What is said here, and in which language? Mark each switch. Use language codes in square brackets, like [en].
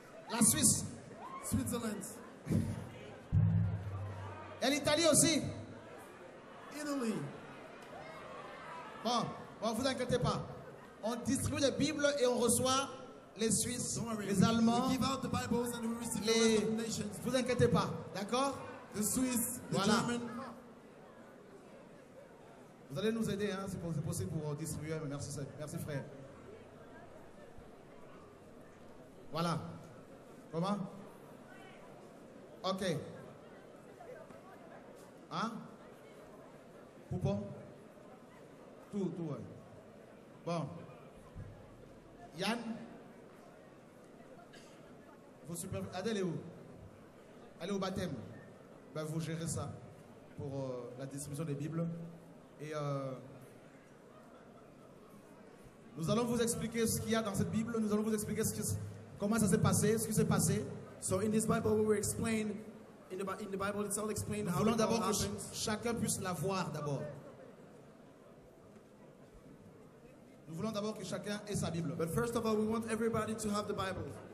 [fr] La Suisse. [en] Switzerland. [fr] Et l'Italie aussi. [en] Italy. [fr] Bon, vous inquiétez pas. On distribue les Bibles et on reçoit les Suisses, les Allemands. [en] We give out the Bibles and we receive the nations. [fr] Vous inquiétez pas, d'accord? [en] The Swiss, the voilà. German. [fr] Vous allez nous aider, hein, si c'est possible pour distribuer. Merci, merci frère. Voilà. Comment? Ok. Hein? Poupon? Tout, ouais. Bon. Yann? Vos super... Adèle est où? Elle est au baptême. Ben, vous gérez ça pour la distribution des Bibles. Et nous allons vous expliquer ce qu'il y a dans cette Bible. Nous allons vous expliquer comment ça s'est passé, ce qui s'est passé. [en] So in this Bible, we will explain in the Bible itself, explain [fr] nous [en] how. [fr] Voulons d'abord que chacun puisse la voir d'abord. Nous voulons d'abord que chacun ait sa Bible. [en] But first of all, we want everybody to have the Bible.